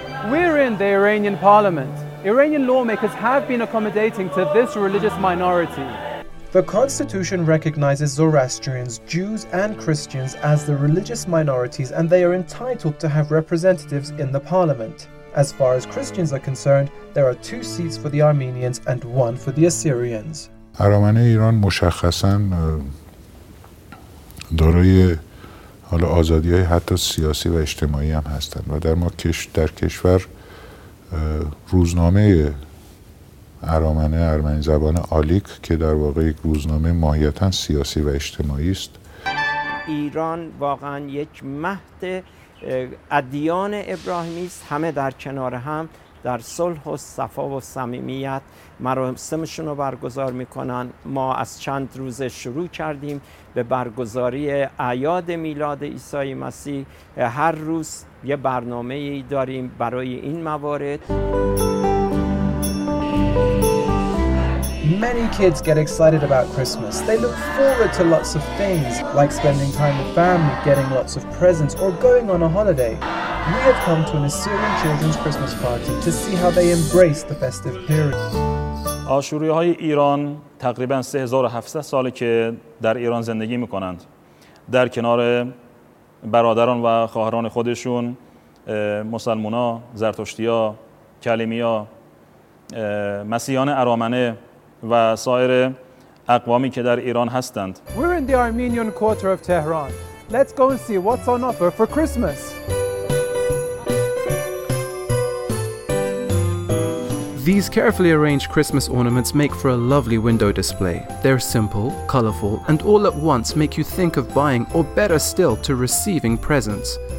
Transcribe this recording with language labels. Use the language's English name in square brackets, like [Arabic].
[English] We're in the Iranian parliament. Iranian lawmakers have been accommodating to this religious minority. The constitution recognizes Zoroastrians, Jews, and Christians as the religious minorities, and they are entitled to have representatives in the parliament. As far as Christians are concerned, there are 2 seats for the Armenians and 1 for the Assyrians. [Persian] ارامنه ایران مشخصاً دارای حالا آزادی‌های حتی سیاسی و اجتماعی هم هستند و در ما در کشور روزنامه ارامنه ارمنی زبان آلیک که در واقع یک روزنامه ماهیتا سیاسی و اجتماعی است ایران واقعا یک مهد ادیان ابراهیمی است همه در کنار هم در صلح و صفا و صمیمیت مراسمشون رو برگزار میکنن. ما از چند روز شروع کردیم به برگزاری اعیاد میلاد عیسی مسیح. هر روز یه برنامه ای داریم برای این موارد. [English] Many kids get excited about Christmas. They look forward to lots of things, like spending time with family, getting lots of presents, or going on a holiday. We have come to an Assyrian children's Christmas party to see how they embrace the festive period. [Persian] آشوری‌های ایران تقریباً 3700 ساله که در ایران زندگی می‌کنند. در کنار برادران و خواهران خودشون، مسلمان‌ها، زرتشتی‌ها، کلمی‌ها، مسیحیان ارامنه و سایر اقوامی که در ایران هستند. [English] We're in the Armenian quarter of Tehran. Let's go and see what's on offer for Christmas. These carefully arranged Christmas ornaments make for a lovely window display. They're simple, colorful, and all at once make you think of buying or better still to receiving presents.